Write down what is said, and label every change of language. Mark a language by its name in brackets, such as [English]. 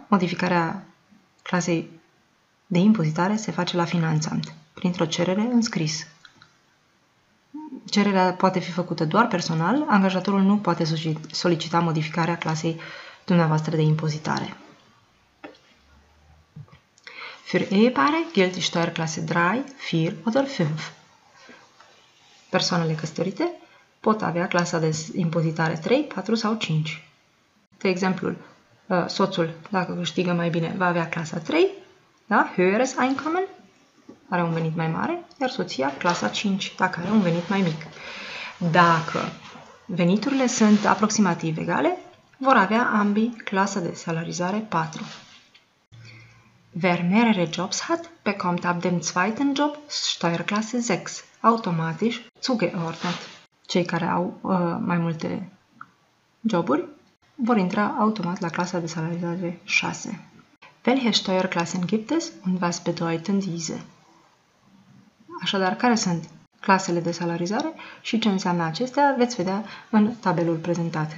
[Romanian] Modificarea clasei de impozitare se face la Finanzamt, printr-o cerere în scris. Cererea poate fi făcută doar personal, angajatorul nu poate solicita modificarea clasei dumneavoastră de impozitare. [German] Für Ehepaare gilt die Steuerklasse 3, 4 oder 5. [Romanian] Persoanele căsătorite pot avea clasa de impozitare 3, 4 sau 5. De exemplu, soțul, dacă câștigă mai bine, va avea clasa 3, da? [German] Höheres Einkommen, [Romanian] are un venit mai mare, iar soția clasa 5, dacă are un venit mai mic. Dacă veniturile sunt aproximativ egale, vor avea ambii clasa de salarizare 4. [German] Wer mehrere Jobs hat, bekommt ab dem zweiten Job Steuerklasse 6. Automatisch zugeordnet. [Romanian] Cei care au mai multe joburi vor intra automat la clasa de salarizare 6. [German] Welche Steuerklassen gibt es und was bedeuten diese? [Romanian] Așadar, care sunt clasele de salarizare și ce înseamnă acestea, veți vedea în tabelul prezentat.